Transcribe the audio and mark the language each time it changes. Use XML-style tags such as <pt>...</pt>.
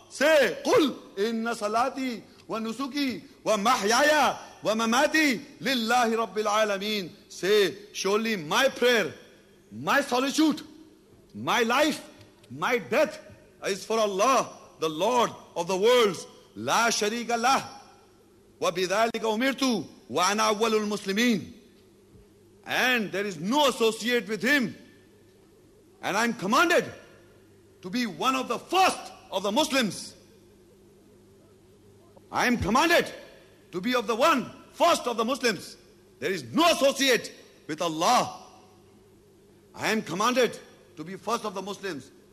<ar>Say, قُلْ إِنَّ صَلَاتِي وَنُسُكِي وَمَحْيَايَ وَمَمَاتِي لِلَّهِ رَبِّ الْعَالَمِينَ.</ar> <en>Say, surely my prayer, my solitude, my life, my death is for Allah, the Lord of the worlds.</en> <ar>لا شريك له وبذلك أمرت وأنا أول المسلمين.</ar> <en>And there is no associate with him, and I am commanded to be one of the first of the Muslims. I am commanded to be of the one first of the Muslims. There is no associate with Allah. I am commanded to be first of the Muslims.</en>